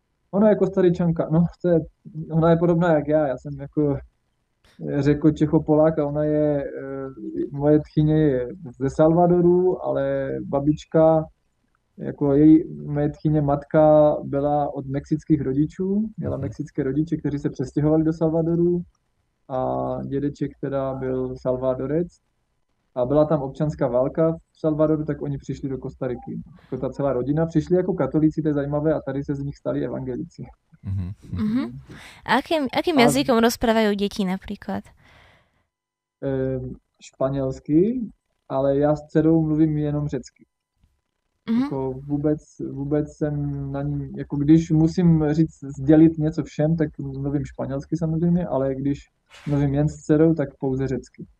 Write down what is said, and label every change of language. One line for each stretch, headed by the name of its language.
Czech: Ona je Kostaričanka, no to je, ona je podobná jak já jsem jako řekl Čechopolák a ona je, moje tchyně je ze Salvadoru, ale babička, jako její moje tchyně matka byla od mexických rodičů, měla mexické rodiče, kteří se přestěhovali do Salvadoru a dědeček teda byl Salvadorec a byla tam občanská válka v Salvadoru, tak oni přišli do Kostariky. Jako ta celá rodina přišli jako katolíci, to je zajímavé, a tady se z nich stali evangelici.
Slovak: Akým jazykom rozprávajú deti napríklad?
Czech: Španielsky, ale ja s dcerou mluvím jenom řecky. Jako vůbec jsem na ní, jako když musím říct, sdělit něco všem, tak mluvím španielsky samozřejmě, ale když mluvím jen s dcerou, tak pouze řecky.